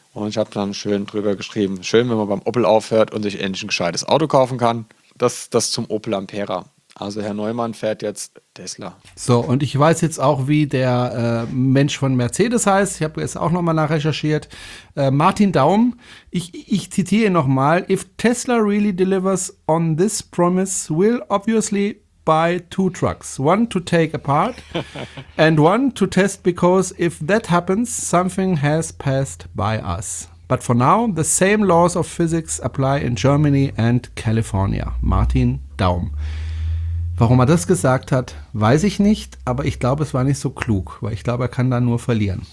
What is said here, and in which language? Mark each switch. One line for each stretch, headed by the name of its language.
German: Und ich habe dann schön drüber geschrieben, schön, wenn man beim Opel aufhört und sich endlich ein gescheites Auto kaufen kann. Das zum Opel Ampera. Also Herr Neumann fährt jetzt Tesla. So, und ich weiß jetzt auch, wie der Mensch von Mercedes heißt. Ich habe jetzt auch nochmal nachrecherchiert. Martin Daum, ich zitiere nochmal.
English: If Tesla really delivers on this promise, we'll obviously buy two trucks. One to take apart and one to test, because if that happens, something has passed by us. But for now, the same laws of physics apply in Germany and California.
German: Martin Daum. Warum er das gesagt hat, weiß ich nicht, aber ich glaube, es war nicht so klug, weil ich glaube, er kann da nur verlieren.